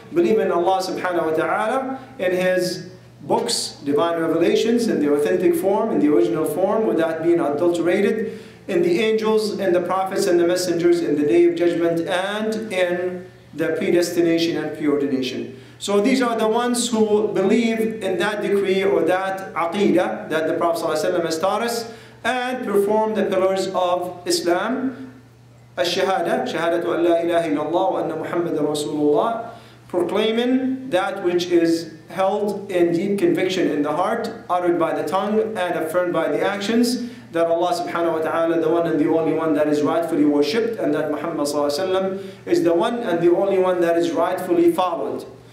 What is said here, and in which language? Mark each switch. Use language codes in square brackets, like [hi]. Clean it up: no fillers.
[en] Believe in Allah subhanahu wa ta'ala, in his books, divine revelations, in the authentic form, in the original form, without being adulterated, in the angels, in the prophets and the messengers, in the day of judgment, and in the predestination and preordination. So these are the ones who believe in that decree or that aqeedah that the Prophet sallallahu alayhi wa sallam has taught us, and perform the pillars of Islam. [ar] الشهادة, شهادة أن لا إله إلا الله وأن محمد رسول الله, [en] proclaiming that which is held in deep conviction in the heart, uttered by the tongue, and affirmed by the actions, that Allah subhanahu wa ta'ala, the one and the only one that is rightfully worshipped, and that Muhammad sallallahu alayhi wa sallam is the one and the only one that is rightfully followed.